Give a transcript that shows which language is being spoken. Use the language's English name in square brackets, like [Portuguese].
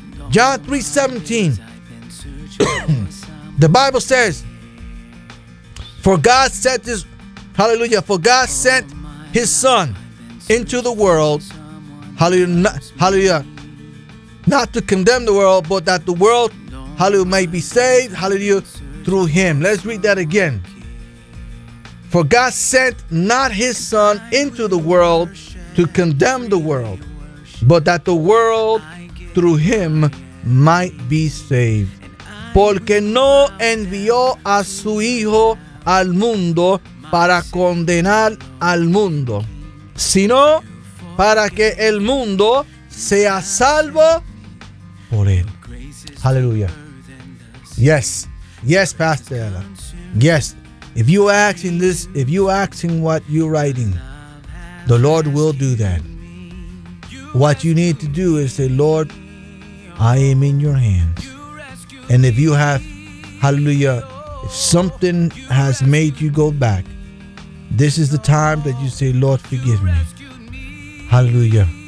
[English] John 3:17. The Bible says, For God sent his son into the world, hallelujah, not to condemn the world, but that the world, hallelujah, may be saved, hallelujah, through him. Let's read that again. For God sent not his son into the world to condemn the world, but that the world through him might be saved. [Spanish] Porque no envió a su hijo al mundo para condenar al mundo, sino para que el mundo sea salvo por él. [English] Hallelujah. Yes. Yes, Pastor Ella. Yes. If you ask in this, if you ask in what you're writing, the Lord will do that. What you need to do is say, Lord, I am in your hands. And if you have, hallelujah, if something has made you go back, this is the time that you say, Lord, forgive me. Hallelujah.